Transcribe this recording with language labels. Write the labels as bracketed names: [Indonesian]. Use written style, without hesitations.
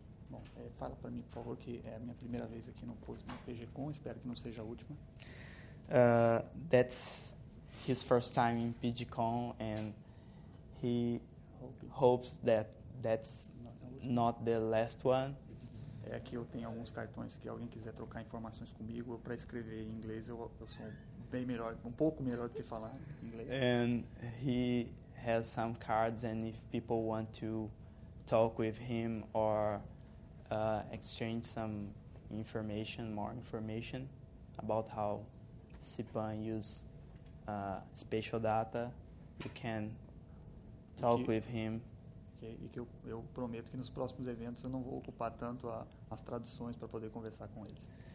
[Portuguese] Bom, fala para mim, por favor, que é a minha primeira vez aqui no PGCon, espero que não seja a última. [English] That's his first time in PGCon, and he hopes that that's not the last one. [Portuguese] É, aqui eu tenho alguns cartões que alguém quiser trocar informações comigo, para escrever em inglês, eu sou bem melhor, um pouco melhor do que falar em inglês. [English] And he has some cards, and if people want to talk with him or exchange some information, more information about how CIPAN use spatial data, you can talk with him. [Portuguese] Okay. E que eu prometo que nos próximos eventos eu não vou ocupar tanto as traduções para poder conversar com eles.